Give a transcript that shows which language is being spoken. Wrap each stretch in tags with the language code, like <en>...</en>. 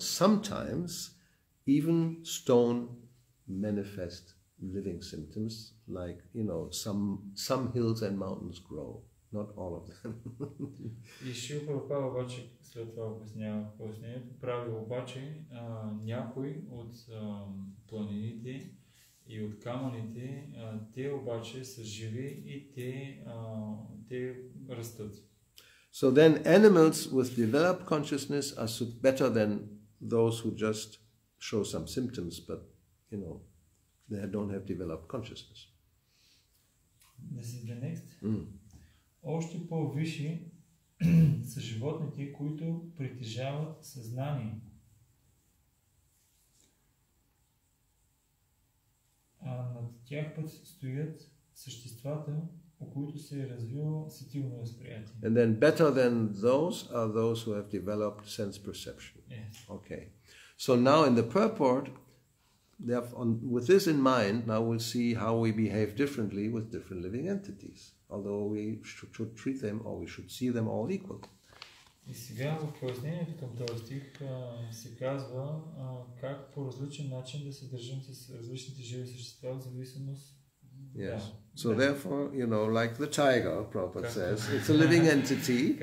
<en>Sometimes even stone manifest living symptoms, like, you know, some hills and mountains grow, not all of them.</en> <bg>И Шрила Прабхупада обаче след това обяснява пояснението. Прави обаче някои от планините и от камъните, те обаче са живи и те растат.</bg> <en>So then animals with developed consciousness are better than those who just show some symptoms, but, you know, they don't have developed consciousness. This is the next.</en> <bg>Още по-виши са животните, които притежават съзнание. А над тях път стоят съществата, у които се е развило сетивно възприятие.</bg> <en>And then better than those are those who have developed sense perception. Yes. Okay. So now in the purport, with this in mind, now we'll see how we behave differently with different living entities, although we should treat them, or we should see them all equal.</en> <bg>И сега в пояснението към този стих се казва как по различен начин да се държим с различните живи същества в зависимост.</bg> <en>Yes. So therefore, you know, like the tiger, Prabhupada says, it's a living entity.</en>